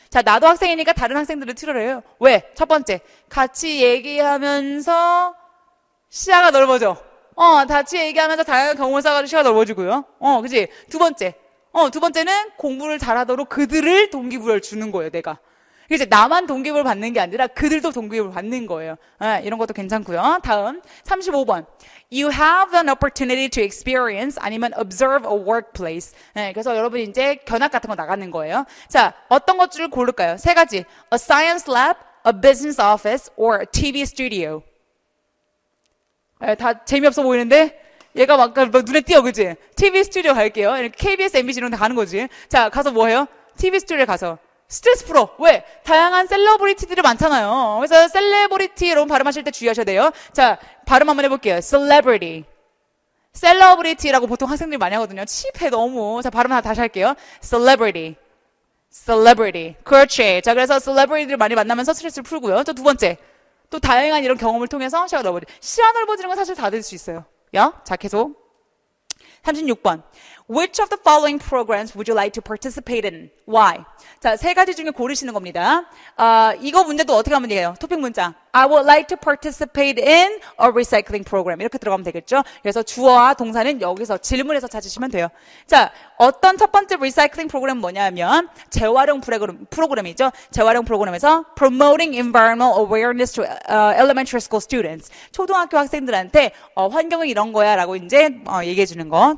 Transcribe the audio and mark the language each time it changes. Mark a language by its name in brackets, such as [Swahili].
[Korean] 자, 나도 학생이니까 다른 학생들을 튜터를 해요. 왜? 첫 번째, 같이 얘기하면서 시야가 넓어져. 같이 얘기하면서 다양한 경험을 쌓아가지고 시야가 넓어지고요. 그지? 두 번째는 공부를 잘하도록 그들을 동기부여를 주는 거예요, 내가. 이제 나만 동기부여를 받는 게 아니라 그들도 동기부여를 받는 거예요. 네, 이런 것도 괜찮고요. 다음 35번. [English] You have an opportunity to experience [Korean] 아니면 [English] observe a workplace. [Korean] 네, 그래서 여러분 이제 견학 같은 거 나가는 거예요. 자, 어떤 것들을 고를까요? 세 가지. [English] A science lab, a business office, or a TV studio. [Korean] 네, 다 재미없어 보이는데? 얘가 막 눈에 띄어, 그지? TV 스튜디오 갈게요. KBS, MBC 이런 데 가는 거지. 자, 가서 뭐 해요? TV 스튜디오에 가서. 스트레스 풀어. 왜? 다양한 셀러브리티들이 많잖아요. 그래서 셀레브리티 이런 발음하실 때 주의하셔야 돼요. 자, 발음 한번 해볼게요. 셀레브리티. 셀러브리티라고 보통 학생들이 많이 하거든요. 칩해, 너무. 자, 발음 다시 할게요. 셀레브리티. 셀레브리티. 그렇지. 자, 그래서 셀레브리티들 많이 만나면서 스트레스를 풀고요. 또두 번째. 또 다양한 이런 경험을 통해서 시야가 넓어지. 시야 넓어지는 건 사실 다될수 있어요. 야? 자, 계속. 36번. [English] Which of the following programs would you like to participate in? Why? [Korean] 자, 세 가지 중에 고르시는 겁니다. 이거 문제도 어떻게 하면 돼요? 토픽 문장. [English] I would like to participate in a recycling program. [Korean] 이렇게 들어가면 되겠죠? 그래서 주어와 동사는 여기서 질문에서 찾으시면 돼요. 자, 어떤 첫 번째 recycling 프로그램 뭐냐면 재활용 프로그램이죠. 재활용 프로그램에서 [English] promoting environmental awareness to elementary school students. [Korean] 초등학교 학생들한테 환경은 이런 거야라고 이제 얘기해 주는 거.